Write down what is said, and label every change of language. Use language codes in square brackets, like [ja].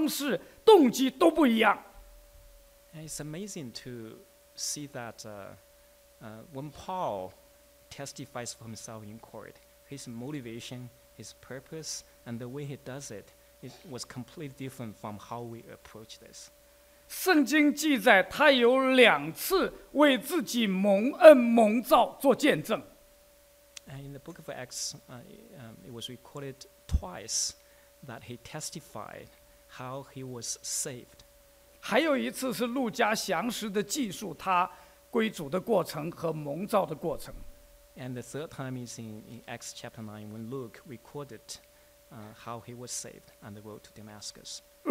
[zh] 所以我就发现保罗的辩护跟我们所心目中所要作为自己的辩护的角度、方向、方式、动机都不一样。 [en] It's amazing to see that when Paul testifies for himself in court, his motivation, his purpose, and the way he does it, it was completely different from how we approach this. [zh] 圣经记载他有两次为自己蒙恩蒙召做见证。 [en] And in the book of Acts, it was recorded twice that he testified how he was saved. [zh] 还有一次是路加详实地记述他归主的过程和蒙召的过程。 [en] And the third time is in Acts chapter 9 when Luke recorded how he was saved on the road to Damascus.